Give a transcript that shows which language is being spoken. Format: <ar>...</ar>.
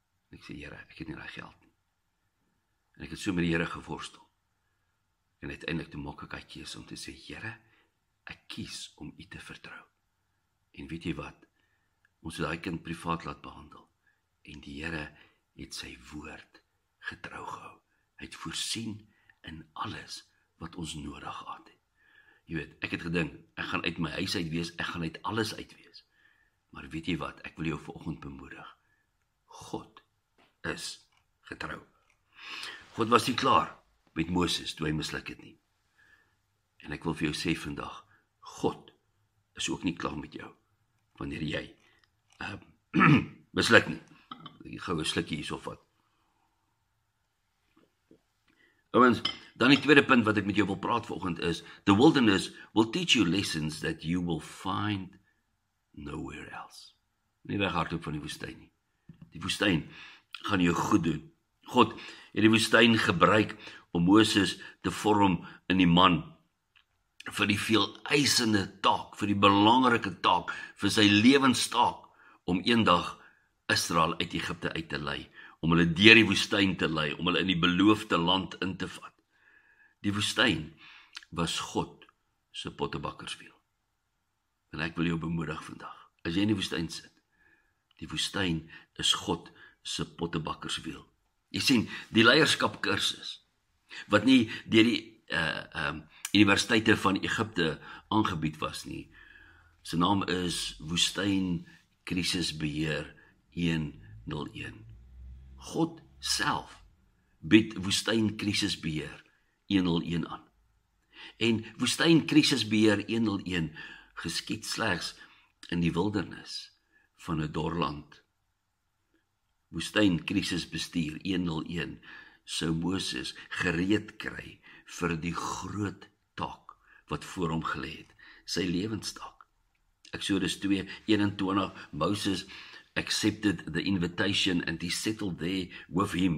<af>En ek sê, Here, ek het nie daai geld nie. En ek het so met die Here geworstel. En uiteindelik toe maak ek uitkeus om te sê, Here, ek kies om u te vertrou. En weet jy wat? Ons het daai kind privaat laat behandel en die Here het sy woord getrou gehou. Hy het voorsien in alles wat ons nodig gehad het. Jy weet, ek het gedink, ek gaan uit my huis uit wees, ek gaan uit alles uit wees. Maar weet jy wat, ek wil jou vanoggend bemoedig. God is getrou. God was nie klaar met Moses, toe hy misluk het nie. En ek wil vir jou sê vandag, God is ook nie klaar met jou, wanneer jy misluk nie. Ek gou 'n slukkie hierso vat. Owens, dan die tweede punt wat ek met jou wil praat vanoggend is,</af> <en>the wilderness will teach you lessons that you will find nowhere else.</en> <af>Nie weg hardloop van die woestyn nie. Die woestyn gaan jou goed doen. God het die woestyn gebruik om Moses te vorm in die man vir die veel eisende taak, vir die belangrike taak, vir sy lewenstaak om eendag Israel uit Egipte uit te lei, om hulle deur die woestyn te lei, om hulle in die beloofde land in te vat. Die woestyn was God se pottebakkerswiel. En ek wil jou bemoedig vandag. As jy in die woestyn sit, die woestyn is God se pottebakkerswiel. Jy sien, die leierskapkursus, wat nie deur die universiteite van Egipte aangebied was nie, sy naam is Woestyn Krisisbeheer 101. God self bied Woestyn Krisisbeheer 101 aan. En Woestyn Krisisbeheer 101 geskied slegs in die wildernis van 'n dorland. Woestyn Krisisbestuur 101 sou Moses gereed kry vir die groot taak wat voor hom gelê het, sy lewenstaak.</af> <en>Eksodus 2:21, Moses accepted the invitation and he settled there with him.</en>